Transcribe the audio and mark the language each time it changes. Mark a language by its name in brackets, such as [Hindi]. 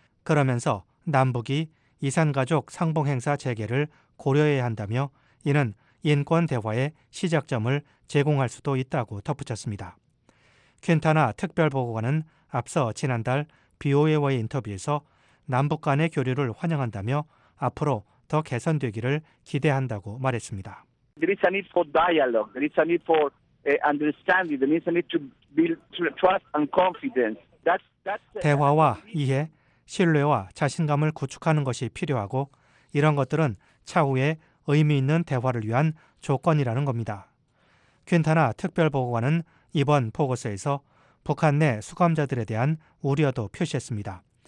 [Korean] 그러면서 남북이 이산가족 상봉행사 재개를 고려해야 한다며 이는 인권 대화의 시작점을 제공할 수도 있다고 덧붙였습니다. 퀸타나 특별보고관은 앞서 지난달 BOA와의 인터뷰에서 남북 간의 교류를 환영한다며 앞으로 더 개선되기를 기대한다고 말했습니다. [English] There is a need for dialogue. There is a need for understanding. There is a need to build trust and confidence. That's [Korean] 대화와 이해, 신뢰와 자신감을 구축하는 것이 필요하고 이런 것들은 차후에 의미 있는 대화를 위한 조건이라는 겁니다. 퀸타나 특별보고관은 이번 보고서에서 북한 내 수감자들에 대한 우려도 표시했습니다.